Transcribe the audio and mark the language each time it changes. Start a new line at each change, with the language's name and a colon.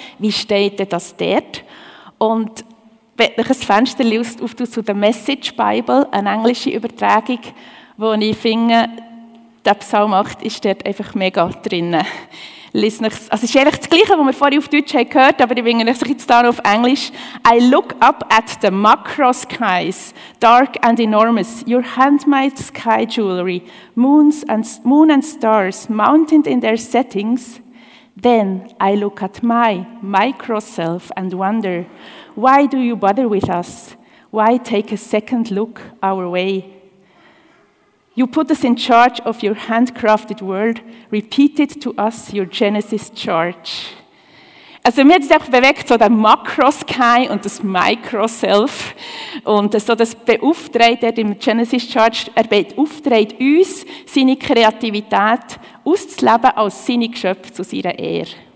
German: Wie steht denn das dort? Und wenn ich ein Fenster auf zu der Message Bible, eine englische Übertragung, wo ich finde, der Psalm 8 ist dort einfach mega drin. Also es ist eigentlich das Gleiche, was wir vorhin auf Deutsch gehört haben, aber ich finde es jetzt hier auf Englisch.
English: I look up at the macro skies, dark and enormous, your handmade sky jewelry, moon and stars, mounted in their settings. Then I look at my micro self and wonder, why do you bother with us? Why take a second look our way? You put us in charge of your handcrafted world, repeat it to us, your Genesis charge.
German: Also mir hat es einfach bewegt, so der Makro-Sky und das Micro-Self. Und so das beauftragt er im Genesis charge, er beauftragt uns, seine Kreativität auszuleben als seine Geschöpfe zu seiner Ehre.